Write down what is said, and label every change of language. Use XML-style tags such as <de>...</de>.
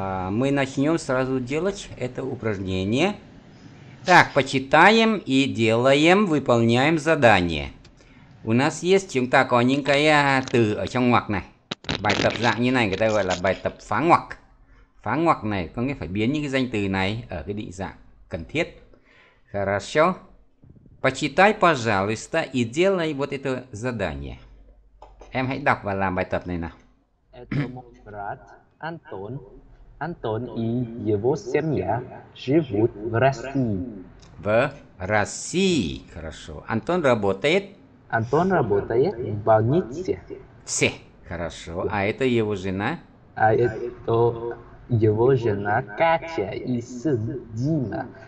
<ru>мы начнем сразу делать это упражнение. Так, почитаем и делаем, выполняем задание. У нас есть,</ru> <vi>chúng ta có những cái từ ở trong ngoặc này. Bài tập dạng như này người ta gọi là bài tập phá ngoặc. Phá ngoặc này có nghĩa phải biến những cái danh từ này ở cái định dạng cần thiết.</vi> <ru>Хорошо. Почитай, пожалуйста, и делай вот это задание.</ru> <vi>Em hãy đọc và làm bài tập này nào.</vi> <ru>Это мой брат Антон. Антон и его семья живут в России. В России. Хорошо. Антон работает? Антон работает в больнице. Все. Хорошо. А это его жена? А это его жена Катя и сын Дима.</ru>